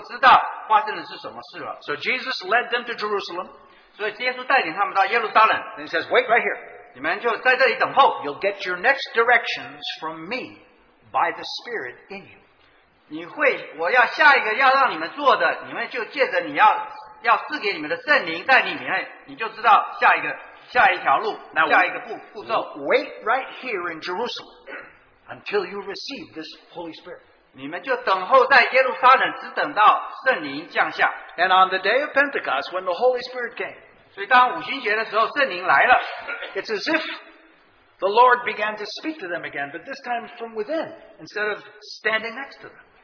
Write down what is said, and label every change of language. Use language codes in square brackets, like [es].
[zh] 所以就在那个时候之后大约五十天，圣灵就这样降下，降在他们身上，也在他们里头，让他们就能够知道发生的是什么事了。 [en] So Jesus led them to Jerusalem. [zh] 所以耶稣带领他们到耶路撒冷。 [en] And he says, "Wait right here. [zh] 你们就在这里等候。 [en] You'll get your next directions from me by the Spirit in you. [zh] 你会，我要下一个要让你们做的，你们就借着你要。要赐给你们的圣灵在里面，你就知道下一个下一条路，下一个步骤。 [en] Wait right here in Jerusalem until you receive this Holy Spirit. [zh] 你们就等候在耶路撒冷，只等到圣灵降下。 [en] And on the day of Pentecost, when the Holy Spirit came, [zh] 所以当五旬节的时候，圣灵来了。 [en] It's as if the Lord began to speak to them again, but this time from within, instead of standing next to them.